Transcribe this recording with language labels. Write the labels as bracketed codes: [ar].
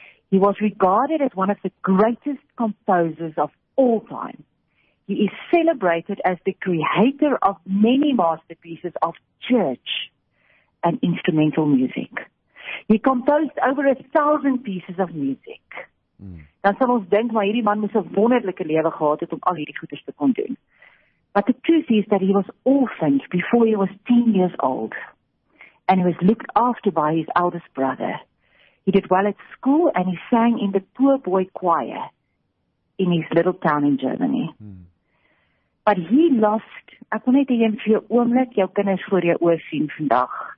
[en] He was regarded as one of the greatest composers of all time. He is celebrated as the creator of many masterpieces of church and instrumental music. He composed over 1,000 pieces of music. [af] Dan sal ons denk, maar hierdie man moes 'n wonderlike lewe gehad het om al hierdie goeders te kon doen. [en] But the truth is that he was orphaned before he was 10 years old. And he was looked after by his eldest brother. He did well at school and he sang in the poor boy choir. in his little town in Germany. Hmm. But he lost, [af] ek wil net hê vir jou oomblik jou kinders voor jou oë sien vandag.